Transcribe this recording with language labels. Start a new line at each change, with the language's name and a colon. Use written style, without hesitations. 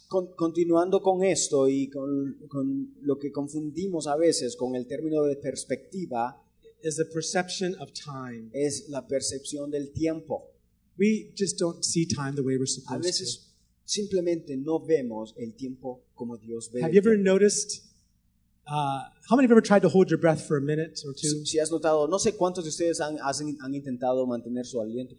Spanish: Continuando con esto y con lo que confundimos a veces con el término de perspectiva,
English: is the perception of time.
Spanish: Es la percepción del tiempo.
English: We just don't see time the way we're supposed to.
Spanish: A veces simplemente no vemos el tiempo como Dios ve.
English: Have you ever noticed? How many have ever tried to hold your breath for a minute or two?
Spanish: Si has notado, no sé cuántos de ustedes han intentado mantener su aliento.